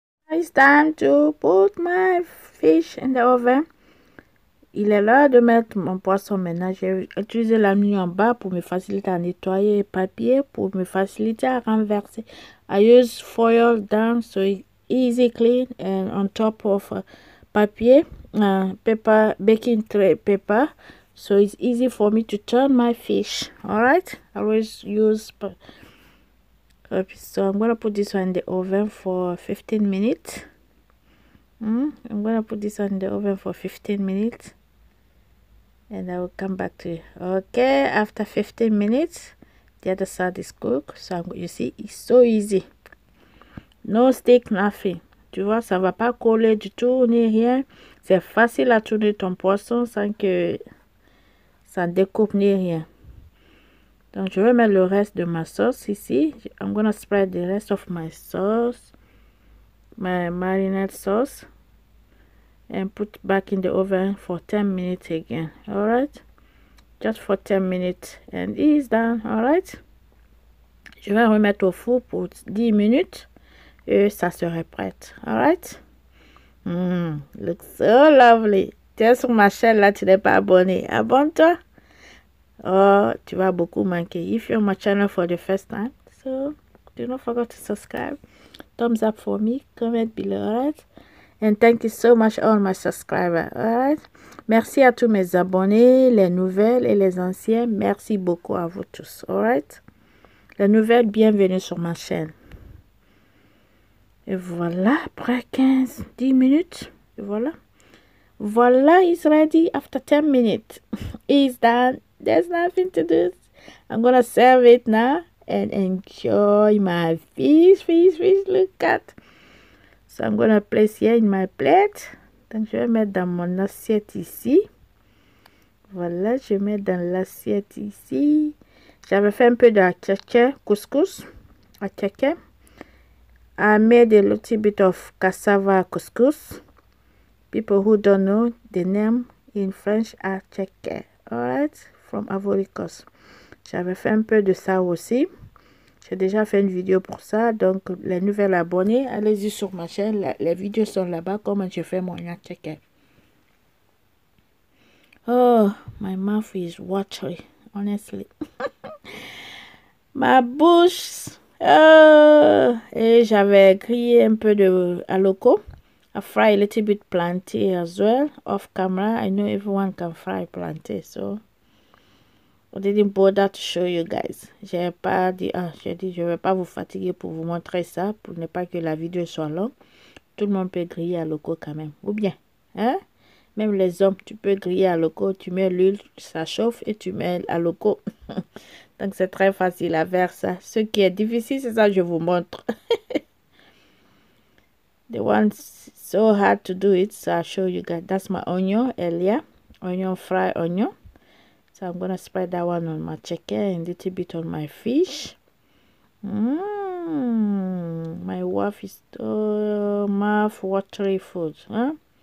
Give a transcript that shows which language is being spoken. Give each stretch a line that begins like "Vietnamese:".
English: It's time to put my fish in the oven.
French: Il est l'heure de mettre mon poisson maintenant. J'ai utilisé la mise en bas pour me faciliter à nettoyer le papier, pour me faciliter à renverser.
English: I use foil down so easy clean and on top of
French: papier,
English: paper, baking tray paper. So it's easy for me to turn my fish. Alright, I always use... So I'm gonna put this one in the oven for 15 minutes. I'm gonna put this one in the oven for 15 minutes and I will come back to you. Okay, after 15 minutes the other side is cooked. So you see it's so easy, no stick, nothing.
French: Tu vois, ça va pas coller du tout ni rien. C'est facile à tourner ton poisson sans que ça découpe ni rien. Donc, je vais mettre le reste de ma sauce ici.
English: I'm going to spread the rest of my sauce, my marinade sauce, and put back in the oven for 10 minutes again. All right? Just for 10 minutes. And it's done. All right?
French: Je vais remettre au four pour 10 minutes et ça serait prêt.
English: All right? Looks so lovely.
French: Tu es sur ma chaîne là, tu n'es pas abonné. Abonne-toi. Oh, tu vas beaucoup manquer.
English: If you're on my channel for the first time, so do not forget to subscribe. Thumbs up for me. Comment below, alright? And thank you so much all my subscribers, alright?
French: Merci à tous mes abonnés, les nouvelles et les anciens. Merci beaucoup à vous tous,
English: alright?
French: Les nouvelles, bienvenue sur ma chaîne. Et voilà, après 15-10 minutes, et voilà.
English: Voilà, it's ready after 10 minutes. It's done. There's nothing to do. I'm gonna serve it now and enjoy my fish. Look at. So I'm gonna place here in my plate.
French: Donc je vais mettre dans mon assiette ici. Voilà, je mets dans l'assiette ici. J'avais fait un peu de akeke, couscous, akeke.
English: I made a little bit of cassava couscous. People who don't know the name in French, akeke. All right. From Ivory Coast.
French: J'avais fait un peu de ça aussi. J'ai déjà fait une vidéo pour ça. Donc, les nouvelles abonnés, allez-y sur ma chaîne. Les vidéos sont là-bas. Comment je fais mon yakeke.
English: Oh, my mouth is watery. Honestly.
French: Ma bouche. Oh. Et j'avais grillé un peu de aloco.
English: I fry a little bit planté as well. Off camera. I know everyone can fry planté. So... I didn't bother to show you guys.
French: J'ai pas dit, j'ai dit, je vais pas vous fatiguer pour vous montrer ça, pour ne pas que la vidéo soit longue. Tout le monde peut griller à loco quand même. Ou bien, hein? Même les hommes, tu peux griller à loco. Tu mets l'huile, ça chauffe et tu mets à loco. Donc, c'est très facile à faire ça. Ce qui est difficile, c'est ça que je vous montre.
English: The one so hard to do it, so I show you guys. That's my onion, Elia. Onion, fry onion. So I'm gonna spread that one on my chicken and a little bit on my fish. My wife is so mouth watery food, huh?